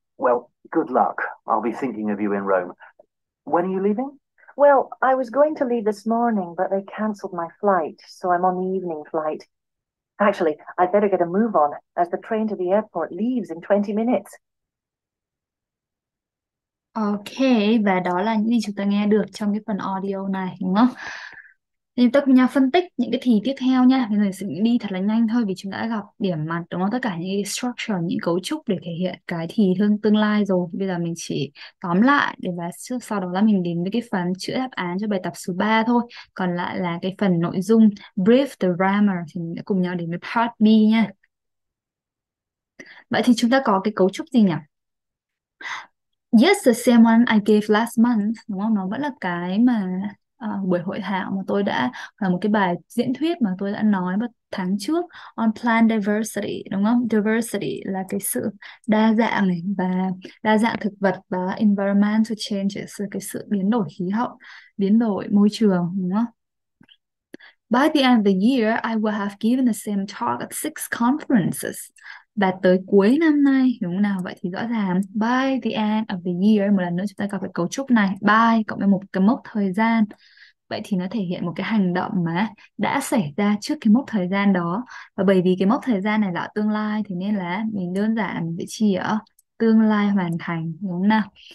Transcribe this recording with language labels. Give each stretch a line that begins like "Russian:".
English: Well, good luck. I'll be thinking of you in Rome. When are you leaving? Well, I was going to leave this morning, but they cancelled my flight, so I'm on the evening flight. Actually, I'd better get a move on, as the train to the airport leaves in 20 minutes.
Vietnamese: Ok, và đó là những gì chúng ta nghe được trong cái phần audio này, đúng không? Thì ta cùng nhau phân tích những cái thì tiếp theo nha. Bây giờ sẽ đi thật là nhanh thôi vì chúng đã gặp điểm mặt, đúng không? Tất cả những cái structure, những cấu trúc để thể hiện cái thì tương lai rồi. Bây giờ mình chỉ tóm lại để và sau đó là mình đến với cái phần chữa đáp án cho bài tập số 3 thôi. Còn lại là cái phần nội dung
English: brief the grammar
Vietnamese: thì mình đã cùng nhau đến với part B nha. Vậy thì chúng ta có cái cấu trúc gì nhỉ?
English: Yes, the same one I gave last month,
Vietnamese: đúng không? Nó vẫn là cái mà buổi hội thảo mà tôi đã, là một cái bài diễn thuyết mà tôi đã nói vào tháng trước
English: on plant diversity,
Vietnamese: đúng không? Diversity là cái sự đa dạng này, và đa dạng thực vật, và
English: environmental changes
Vietnamese: là cái sự biến đổi khí hậu, biến đổi môi trường, đúng không?
English: By the end of the year, I will have given the same talk at six conferences.
Vietnamese: Và tới cuối năm nay, đúng không nào? Vậy thì rõ ràng,
English: by the end of the year,
Vietnamese: một lần nữa chúng ta gặp cái cấu trúc này, by cộng với một cái mốc thời gian. Vậy thì nó thể hiện một cái hành động mà đã xảy ra trước cái mốc thời gian đó. Và bởi vì cái mốc thời gian này là tương lai, thì nên là mình đơn giản là mình sẽ chỉ ở tương lai hoàn thành, đúng không nào?